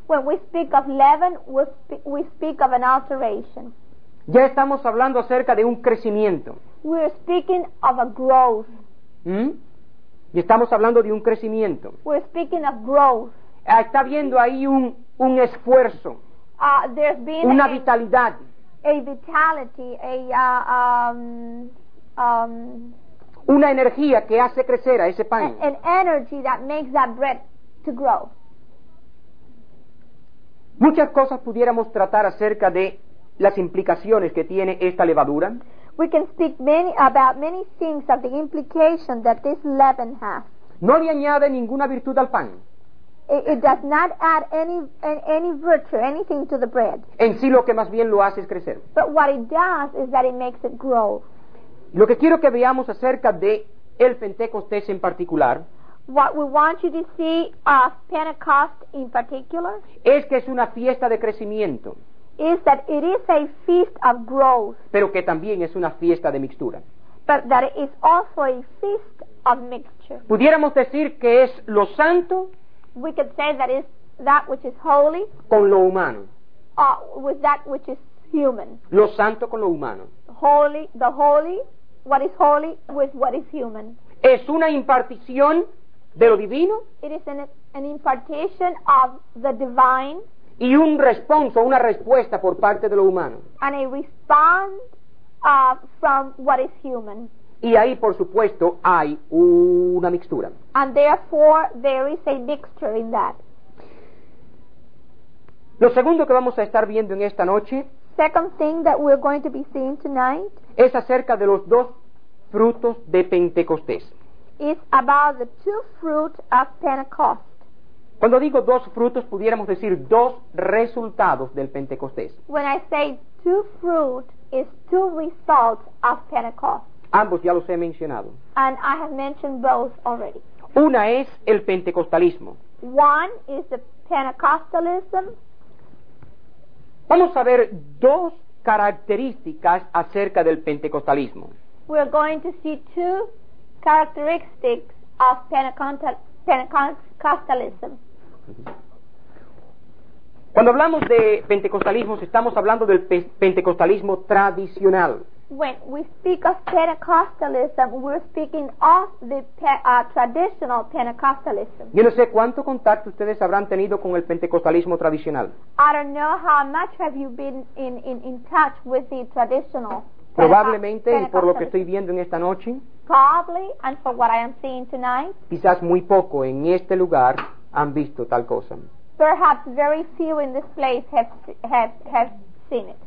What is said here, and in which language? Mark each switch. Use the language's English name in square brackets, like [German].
[English] When we speak of leaven, we speak of an alteration. [Spanish] Ya estamos hablando acerca de un crecimiento. [English] We are speaking of a growth. [Spanish] ¿Mm? Y estamos hablando de un crecimiento. [English] We are speaking of growth. [Spanish] Está viendo ahí un esfuerzo. [English] There's been [Spanish] una [English] a [Spanish] vitalidad. [English] A vitality, [Spanish] una energía que hace crecer a ese pan. [English] An energy that makes that bread to grow. [Spanish] Muchas cosas pudiéramos tratar acerca de las implicaciones que tiene esta levadura. [English] We can speak many about many things of the implication that this leaven has. [Spanish] No le añade ninguna virtud al pan. [English] It does not add any virtue, anything to the bread. [Spanish] En sí lo que más bien lo hace es crecer. [English] But what it does is that it makes it grow. [Spanish] Lo que quiero que veamos acerca de el Pentecostés en particular. [English] What we want you to see of Pentecost in particular. [Spanish] Es que es una fiesta de crecimiento. [English] Is that it is a feast of growth. [Spanish] Pero que también es una fiesta de mixtura. [English] But that it is also a feast of mixture. [Spanish] Pudiéramos decir que es lo santo. [English] We could say that is that which is holy. [Spanish] Con lo humano. [English] With that which is human. [Spanish] Lo santo con lo humano. [English] Holy, the holy, what is holy with what is human. [Spanish] Es una impartición de lo divino. [English] It is an impartation of the divine. [Spanish] Y un responso, una respuesta por parte de lo humano. [English] And a response from what is human. [Spanish] Y ahí, por supuesto, hay una mixtura. [English] And therefore, there is a mixture in that. [Spanish] Lo segundo que vamos a estar viendo en esta noche. [English] Second thing that we're going to be seeing tonight. [Spanish] Es acerca de los dos frutos de Pentecostés. [English] It's about the two fruits of Pentecost. [Spanish] Cuando digo dos frutos, pudiéramos decir dos resultados del Pentecostés. [English] When I say two fruit, it's two results of Pentecost. [Spanish] Ambos ya los he mencionado. [English] And I have mentioned both already. [Spanish] Una es el pentecostalismo. [English] One is the Pentecostalism. [Spanish] Vamos a ver dos características acerca del pentecostalismo. [English] We are going to see two characteristics of Pentecostalism. [Spanish] Cuando hablamos de pentecostalismo, estamos hablando del pentecostalismo tradicional. [English] When we speak of Pentecostalism, we're speaking of the traditional Pentecostalism. [Spanish] Yo no sé cuánto contacto ustedes habrán tenido con el pentecostalismo tradicional. [English] I don't know how much have you been in touch with the traditional. [Spanish] Probablemente, y por lo que estoy viendo en esta noche. [English] Probably, and for what I am seeing tonight. [Spanish] Quizás muy poco en este lugar han visto tal cosa. [English] Perhaps very few in this place have seen it.